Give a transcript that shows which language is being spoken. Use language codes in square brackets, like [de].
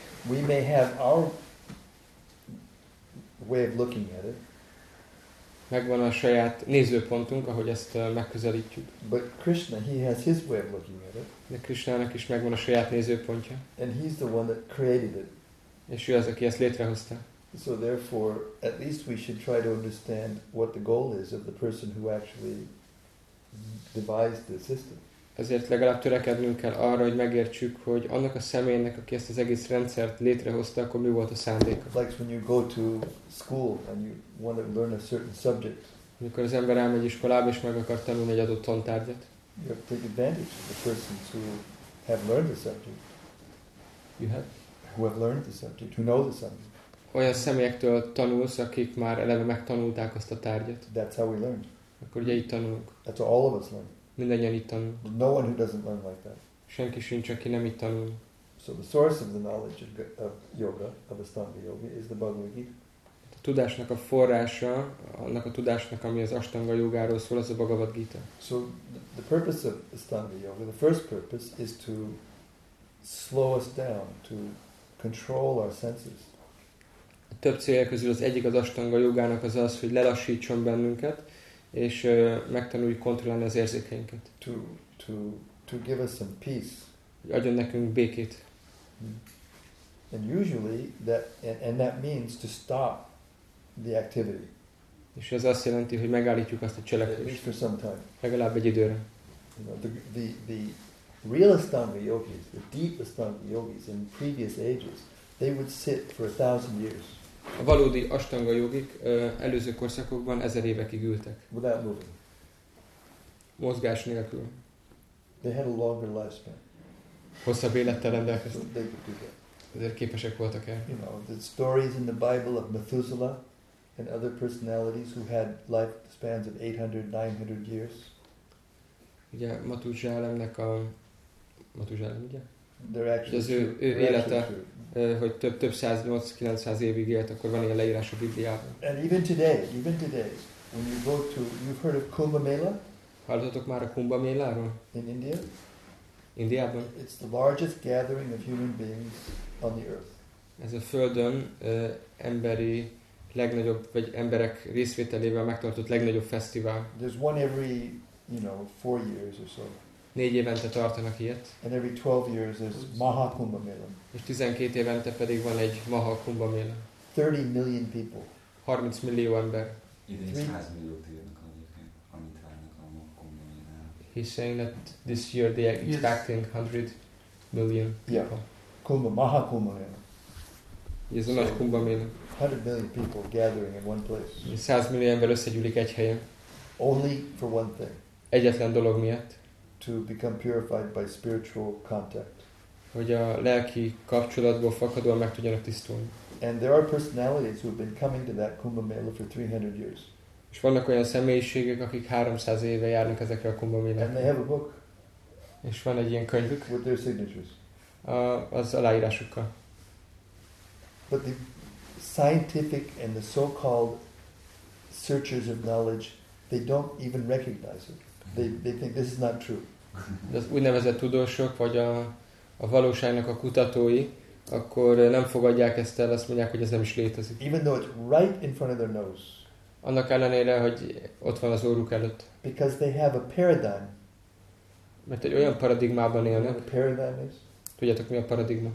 [en] We may have our way of looking at it. [hu] Megvan a saját nézőpontunk, ahogy ezt megközelítjük. [en] But Krishna, he has his way of looking at it. [hu] De Krishnának is megvan a saját nézőpontja. [en] And he's the one that created it. [hu] És ő az, aki ezt létrehozta. [en] So therefore, at least we should try to understand what the goal is of the person who actually devised the system. [hu] Ezért legalább törekednünk kell arra, hogy megértsük, hogy annak a személynek, aki ezt az egész rendszert létrehozta, akkor mi volt a szándéka. [en] Like when you go to school and you want to learn a certain subject. [hu] Amikor az ember elmegy iskolába és meg akar tanulni egy adott tantárgyat. [en] You have to take advantage of the persons who have learned the subject. You have? Who have learned the subject, who know the subject. [hu] Olyan személyektől tanulsz, akik már eleve megtanulták azt a tárgyat. [en] That's how we learn. [hu] Akkor ugye itt tanulunk. [en] That's how all of us learn. [hu] Mindennyian itt tanulunk. [en] No one who doesn't learn like that. [hu] Senki sincs, aki nem itt tanul. [en] So the source of the knowledge of yoga, of Ashtanga yoga, is the Bhagavad Gita. [hu] A tudásnak a forrása, annak a tudásnak, ami az Ashtanga yogáról szól, az a Bhagavad Gita. [en] So the purpose of Ashtanga yoga, the first purpose is to slow us down, to control our senses. [hu] A több célja közül az egyik az Ashtanga yogának az az, hogy lelassítson bennünket, és megtanuljuk kontrollálni az érzékeinket. [en] To give us some peace. [hu] Adjon nekünk békét. [en] And usually that means to stop the activity. [hu] És ez azt jelenti, hogy megállítjuk azt a cselekvést. [en] For some time. [hu] Legalább egy időre. [en] You know, the real Ashtanga yogis, the deep Ashtanga yogis in previous ages, they would sit for 1,000 years. [hu] A valódi Ashtanga yogik előző korszakokban 1000 évekig ültek. [en] Without moving. [hu] Mozgás nélkül. [en] They had a longer lifespan. [hu] Hosszabb élettel rendelkeztek. [en] So they could do that. [hu] Ezért képesek voltak el. [en] You know, the stories in the Bible of Methuselah and other personalities who had lifespans of 800-900 years. [hu] ugye Matuzsálemnek a Matuzsálem, ugye? Ugye az ő élete, hogy több 180-900 évig élt, akkor van ilyen leírás a Bibliában. [en] And even today, when you go to, you've heard of Kumbh Mela? [hu] Hallottatok már a Kumbh Meláról? [en] In India? [hu] Indiában. [en] It's the largest gathering of human beings on the earth. [hu] Ez a Földön emberi legnagyobb, vagy emberek részvételével megtartott legnagyobb fesztivál. [en] There's one every, you know, 4 years or so. [hu] 4 évente tartanak ilyet. [en] And every 12 years there's Maha Kumbh Mela. [hu] És 12 évente pedig van egy Maha Kumbh Mela. [en] 30 million people. [hu] 30 millió ember. Idén 100 milliót élnek amit várnak a Maha Kumbh Mela. [en] He's saying that this year they are expecting 100 million people. Yeah. Kumbh, Maha Kumbh Mela. [hu] Ez a nagy Kumbh Mela. [en] 100 million people gathering in one place. [hu] 100 millió ember összegyűlik egy helyen. [en] Only for one thing. [hu] Egyetlen dolog miatt. [en] To become purified by spiritual contact. [hu] Hogy a lelki kapcsolatból fakadóan meg tudjanak tisztulni. [en] And there are personalities who have been coming to that Kumbh Mela for 300 years. [hu] És vannak olyan személyiségek, akik 300 éve járnak ezekre a Kumbh Mela. [en] And they have a book. [hu] És van egy ilyen könyvük. [en] With their signatures. [hu] Az aláírásukkal. [en] But the scientific and the so-called searchers of knowledge, they don't even recognize it. They think this is not true. [hu] De az úgynevezett tudósok, vagy a valóságnak a kutatói, akkor nem fogadják ezt el, azt mondják, hogy ez nem is létezik. [en] Even though it's right in front of their nose. [hu] Annak ellenére, hogy ott van az orruk előtt. [en] Because they have a paradigm. [hu] Mert egy olyan paradigmában élnek. [en] You know what a paradigm is? [hu] Tudjátok, mi a paradigma?